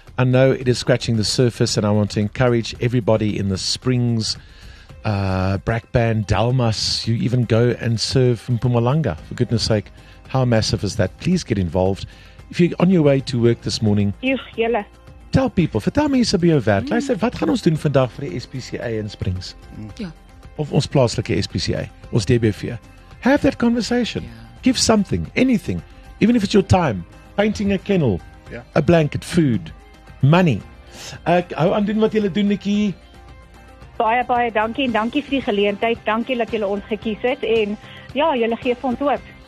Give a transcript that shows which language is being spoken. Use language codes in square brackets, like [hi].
[en] I know it is scratching the surface, and I want to encourage everybody in the Springs, Brakpan, Dalmas, you even go and serve in Mpumalanga. For goodness sake, how massive is that? Please get involved. If you're on your way to work this morning, Jelle. Tell people, [af] vertel mense by jou werk. Luister, wat gaan ons doen vandag vir die SPCA in Springs? Ja. Of ons plaaslike SPCA, ons DBV. [en] Have that conversation. Yeah. Give something, anything. Even if it's your time. Painting a kennel, a blanket, food, money. [af] Hou aan doen wat julle doen, Nikki. Baie, baie dankie en dankie vir die geleentheid. Dankie dat julle ons gekies het en ja, julle geef ons hoop.